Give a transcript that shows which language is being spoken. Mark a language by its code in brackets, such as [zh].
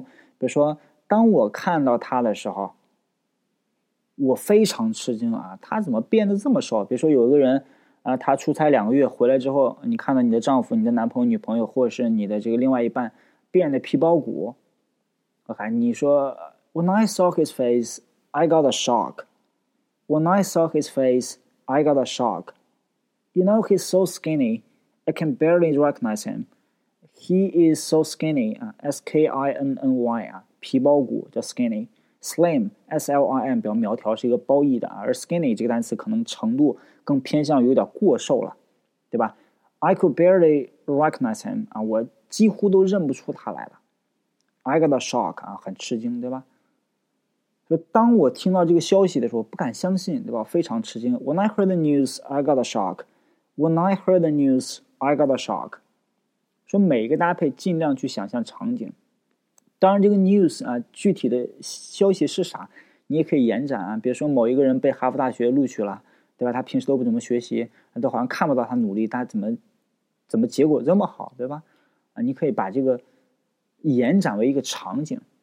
[zh] 比如说，当我看到他的时候。我非常吃惊啊，他怎么变得这么瘦？比如说有一个人啊，他出差两个月回来之后，你看到你的丈夫、你的男朋友、女朋友，或者是你的这个另外一半变得皮包骨 ，OK？你说 [en] ，When I saw his face, I got a shock. When I saw his face, I got a shock. You know he's so skinny, I can barely recognize him. He is so skinny. S-K-I-N-N-Y 啊， [zh] 皮包骨叫 [en] skinny。 [zh] Slim, S-L-I-M 表苗条，是一个褒义的，而 skinny 这个单词可能程度更偏向于有点过瘦了，对吧 ？ [en] I could barely recognize him [zh] 啊，我几乎都认不出他来了。 [en] I got a shock 啊， [zh] 很吃惊，对吧？就当我听到这个消息的时候，不敢相信，对吧？非常吃惊。 [en] When I heard the news, I got a shock. When I heard the news, I got a shock. [zh] 说每一个搭配，尽量去想象场景。当然这个 news 啊，具体的消息是啥你也可以延展啊，比如说某一个人被哈佛大学录取了，对吧？他平时都不怎么学习，都好像看不到他努力，他怎么结果这么好，对吧？啊，你可以把这个延展为一个场景。